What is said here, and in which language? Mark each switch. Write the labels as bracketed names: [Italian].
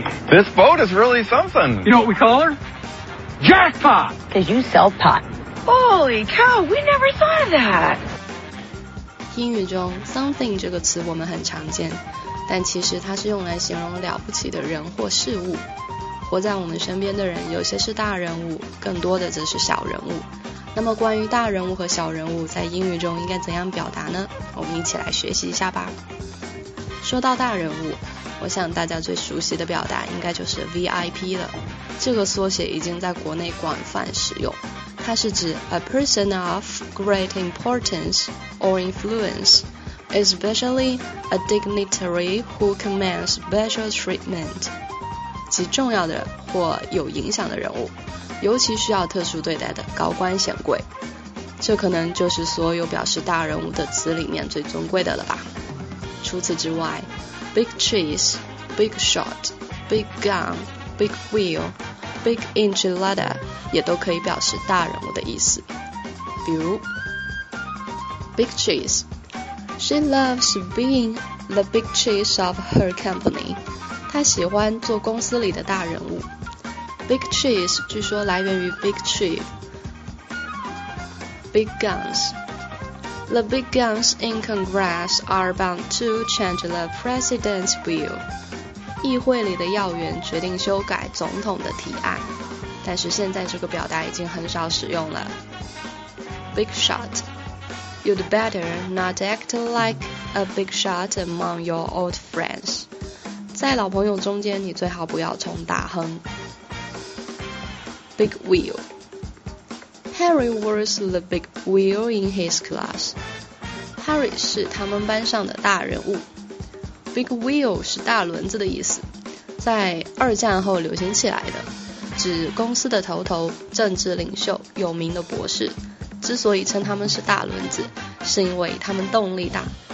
[English] This boat is really something. You know what we call her? Jackpot! Did you sell pot? Holy cow, we never thought of that! [Chinese] 英语中 something 这个词我们很常见，但其实它是用来形容了不起的人或事物。活在我们身边的人，有些是大人物，更多的则是小人物。那么关于大人物和小人物，在英语中应该怎样表达呢？我们一起来学习一下吧。说到大人物，我想大家最熟悉的表达应该就是 VIP 了。这个缩写已经在国内广泛使用，它是指 [English] a person of great importance or influence, especially a dignitary who commands special treatment. [Chinese] 极重要的或有影响的人物，尤其需要特殊对待的高官显贵，这可能就是所有表示大人物的词里面最尊贵的了吧。除此之外， Big cheese, Big shot, Big gun, Big wheel, Big enchilada 也都可以表示大人物的意思。比如 [English] Big cheese, She loves being the big cheese of her company. [Chinese] 他喜欢做公司里的大人物。 Big cheese 据说来源于 Big Chief。 [English] Big guns, The big guns in Congress are bound to change the president's bill. [Chinese] 议会里的要员决定修改总统的提案，但是现在这个表达已经很少使用了。 [English] Big shot, You'd better not act like a big shot among your old friends. [Chinese] 在老朋友中间，你最好不要冲大亨。 [English] Big wheel. Harry was the big wheel in his class. [Chinese] Harry 是他们班上的大人物。Big wheel 是大轮子的意思，在二战后流行起来的，指公司的头头、政治领袖、有名的博士。之所以称他们是大轮子，是因为他们动力大。